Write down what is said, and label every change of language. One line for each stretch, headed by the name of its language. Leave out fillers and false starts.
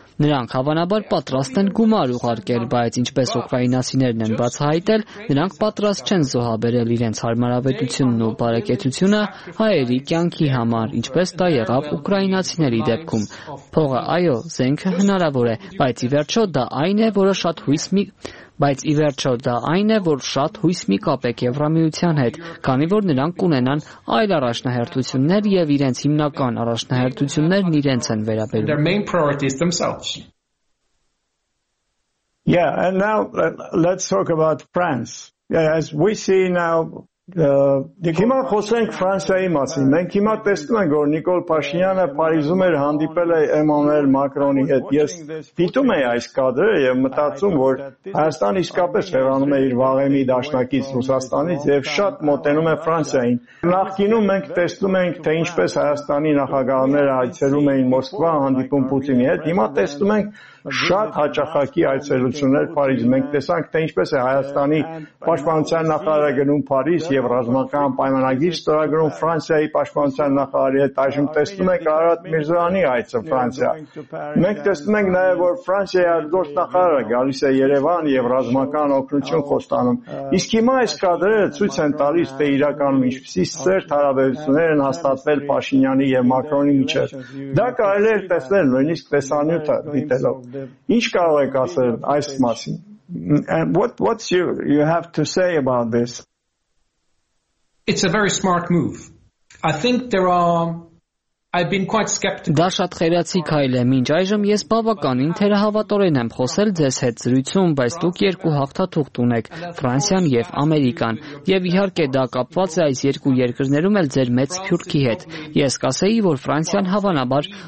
Armenian: Նրանք հավանաբար պատրաստ են գումար ուղարկել, բայց ինչպես ուկրաինացիներն են բացահայտել, նրանք պատրաստ չեն զոհաբերել իրենց հարմարավետությունն ու բարեկեցությունը հայերի կյանքի համար, ինչպես դա եղավ ուկրաինացիների դեպքում։ Փողը, այո, զենքը հնարավոր է, բայց ի վերջո դա այն է, որը շատ հույս մի բայց ի վերջո դա այն է, որ շատ հույս մի կապ է Եվրամիության հետ, քանի որ նրանք կունենան այլ առաջնահերթություններ եւ իրենց հիմնական առաջնահերթություններն իրենց են վերաբերում։
English: Yeah, and now let's talk about France. as we see now,
Armenian: հիմա խոսենք Ֆրանսիայի մասին։ Մենք հիմա տեսնում ենք, որ Նիկոլ Փաշինյանը Փարիզում էր հանդիպել Էմանուել Մակրոնի հետ։ Ես դիտում եմ այս կադրը եւ մտածում, որ Հայաստանը իսկապես հեռանում է իր վաղեմի դաշնակից Ռուսաստանից եւ շատ մոտենում է Ֆրանսիային։ Նախկինում մենք տեսնում ենք, թե ինչպես Հայաստանի նախագահները այցելում էին Մոսկվա հանդիպում Պուտինի հետ։ Հիմա տեսնում ենք շատ հաճախակի այցելություններ Փարիզ։ Մենք տեսանք, թե ինչպես է Հայաստանի պաշտպանության նախարարը գնում Փարիզ եւ ռազմական պայմանագիր ստորագրում Ֆրանսիայի պաշտպանության նախարարի հետ։ Այժմ տեսնում ենք Արարատ Միրզանի այցը Ֆրանսիա։ Մենք տեսնում ենք նաեւ, որ Ֆրանսիայի արտգործ նախարարը գալիս է Երևան եւ ռազմական օգնություն խոստանում։ Իսկ հիմա այս կադրերը ցույց են տալիս, թե իրականում ինչպեսի սերտ հարաբերություններ են հաստատվել Փաշինյանի եւ Մակրոնի միջեւ։ Դա կարելի է տեսնել նույնիսկ տեսանյութը դիտելով։ Ինչ կարող եք ասել այս մասին?
English: What's you have to say about this? It's a very smart move. I think there are I've been quite skeptical.
Armenian: Դա շատ խելացի քայլ է։ Մինչ այժմ ես բավականին թերահավատորեն եմ խոսել ձեզ հետ զրույցում, բայց դուք երկու հաղթաթուղթ ունեք՝ Ֆրանսիան եւ Ամերիկան, եւ իհարկե դա կապված է այս երկու երկրներում էլ ձեր մեծ փյուրքի հետ։ Ես կասեի, որ Ֆրանսիան հավանաբար